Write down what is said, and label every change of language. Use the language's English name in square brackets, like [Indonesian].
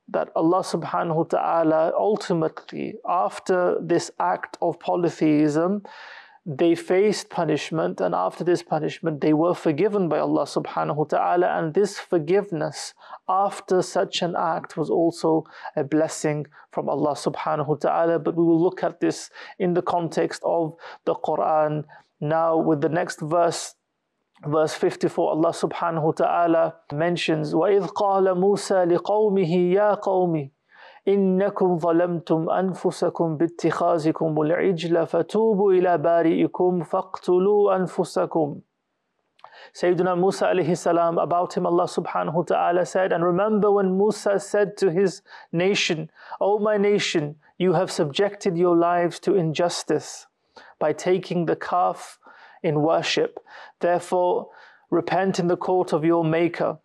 [English] that Allah subhanahu wa ta'ala ultimately, after this act of polytheism, they faced punishment, and after this punishment, they were forgiven by Allah subhanahu wa ta'ala, and this forgiveness after such an act was also a blessing from Allah subhanahu wa ta'ala. But we will look at this in the context of the Quran. Now with the next verse, verse 54, Allah subhanahu wa ta'ala mentions, [Arabic] وَإِذْ قَالَ مُوسَى لِقَوْمِهِ يَا قَوْمِ إِنَّكُمْ ظَلَمْتُمْ أَنفُسَكُمْ بِاتِّخَاذِكُمُ الْعِجْلَ فَتُوبُوا إِلَى بَارِئِكُمْ فَاقْتُلُوا أَنفُسَكُمْ. [English] Sayyidina Musa alayhi salam, about him Allah subhanahu wa ta'ala said, and remember when Musa said to his nation, O my nation, you have subjected your lives to injustice by taking the calf in worship. Therefore, repent in the court of your maker.